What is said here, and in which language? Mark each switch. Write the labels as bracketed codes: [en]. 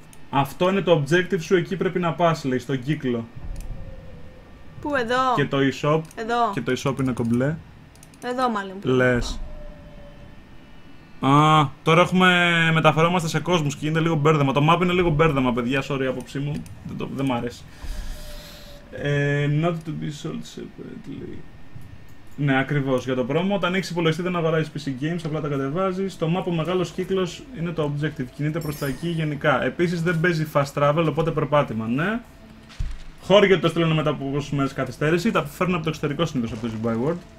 [el] Αυτό είναι το objective σου, εκεί πρέπει να πας λέει, στον κύκλο. Πού, εδώ? Και το e-shop. Εδώ. Και το e-shop είναι κομπλέ. Εδώ μάλλον. Λες. Α, τώρα έχουμε, μεταφερόμαστε σε κόσμους και είναι λίγο μπέρδεμα. Το map είναι λίγο μπέρδεμα, παιδιά, [en] sorry, [el] απόψη μου. Δεν μ' αρέσει. [en] Not to be sold separately. [el] Ναι, ακριβώς, για το promo. Όταν έχεις υπολογιστή δεν αγοράζεις PC games, απλά τα κατεβάζεις. Το map ο μεγάλος κύκλος είναι το objective. Κινείται προς τα εκεί γενικά. Επίσης δεν παίζει fast travel, οπότε περπάτημα, ναι. Χώρια το στείλουν μετά από 20 μέρες καθυστέρηση. Τα φέρνουν από το εξωτερικό συνήθως από το Zimbabwe World.